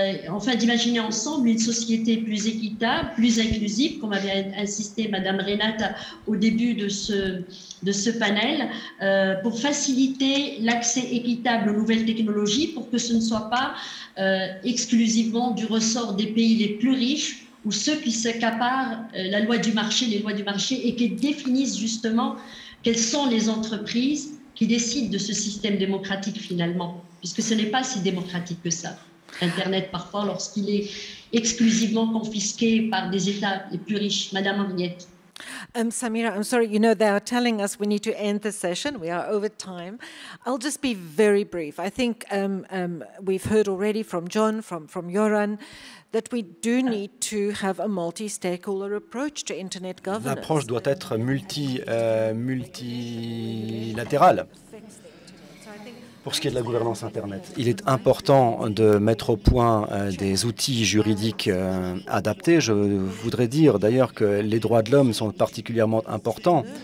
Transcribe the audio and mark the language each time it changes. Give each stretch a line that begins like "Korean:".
French: enfin d'imaginer ensemble une société plus équitable, plus inclusive, comme avait insisté Mme Renata au début de ce panel, pour faciliter l'accès équitable aux nouvelles technologies, pour que ce ne soit pas exclusivement du ressort des pays les plus riches ou ceux qui s'accaparent la loi du marché, les lois du marché, et qui définissent justement quelles sont les entreprises qui décident de ce système démocratique finalement, puisque ce n'est pas si démocratique que ça. Internet, parfois, lorsqu'il est exclusivement confisqué par des États les plus riches. Madame Henriette.
English: Samira, I'm sorry, you know, they are telling us we need to end the session. We are over time. I'll just be very brief. I think we've heard already from John, from Joran, that we do need to have a multi-stakeholder approach to internet governance.
French: L'approche doit être multilatérale. Pour ce qui est de la gouvernance Internet, il est important de mettre au point des outils juridiques adaptés. Je voudrais dire d'ailleurs que les droits de l'homme sont particulièrement importants.